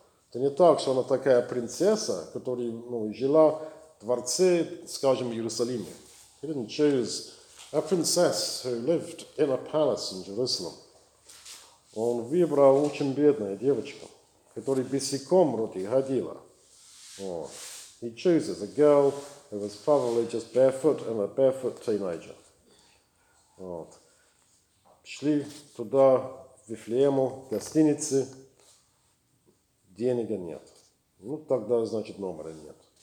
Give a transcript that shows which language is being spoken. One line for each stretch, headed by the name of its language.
Russian: Это не так, что она такая принцесса, которая, ну, жила дворце, скажем, Иерусалиме.
English: He didn't choose a princess who lived in a palace in Jerusalem.
Russian: Он выбрал очень бедную девочку, которая босиком ходила. Oh.
English: He chooses a girl who was probably just barefoot and a barefoot teenager. Вот.
Russian: Шли туда, в Вифлеему, в гостинице, Денега нет. Ну, тогда, значит, номера нет.